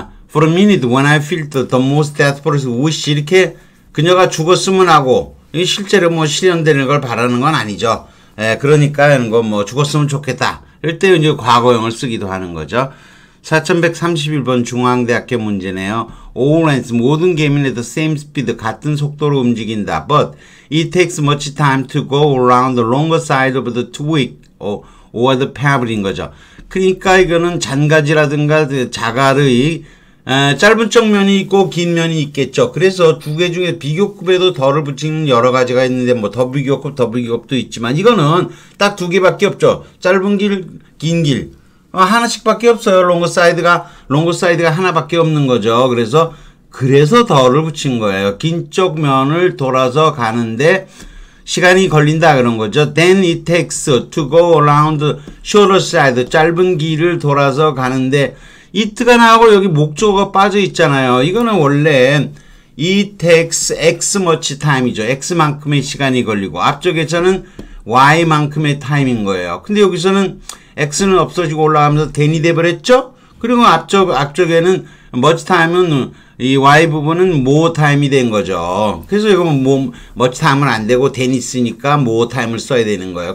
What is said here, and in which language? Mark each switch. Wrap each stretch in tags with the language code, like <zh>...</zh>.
<ko>For a minute when I felt the most desperate wish, 이렇게 그녀가 죽었으면 하고 실제로 뭐 실현되는 걸 바라는 건 아니죠. 그러니까 이런 거 뭐 죽었으면 좋겠다 이럴 때 이제 과거형을 쓰기도 하는 거죠. 4131번 중앙대학교 문제네요. All ants, 모든 개미는 the same speed, 같은 속도로 움직인다.</ko> <en>But it takes much time to go around the longer side of the twig or the pebble인 거죠.</en> <ko>그러니까 이거는 잔가지라든가 자갈의 짧은 쪽 면이 있고 긴 면이 있겠죠. 그래서 두 개 중에 비교급에도 덜을 붙이는 여러 가지가 있는데 뭐 더비교급, 더비교급도 있지만 이거는 딱 두 개밖에 없죠. 짧은 길, 긴 길. 하나씩밖에 없어요. 롱고사이드가 하나밖에 없는 거죠. 그래서 더를 붙인 거예요. 긴 쪽 면을 돌아서 가는데 시간이 걸린다 그런 거죠.</ko> <en>Then it takes to go around shorter side.</en> <ko>짧은 길을 돌아서 가는데 it가 나오고 여기 목적어가 빠져 있잖아요. 이거는 원래 it takes x much time 이죠. x만큼의 시간이 걸리고 앞쪽에서는 y만큼의 time인 거예요. 근데 여기서는 x는 없어지고 올라가면서 then이 돼버렸죠. 그리고 앞쪽에는 much time은 이 y 부분은 more time이 된 거죠. 그래서 이거 뭐 much time은 안 되고 then 있으니까 more time을 써야 되는 거예요.</ko>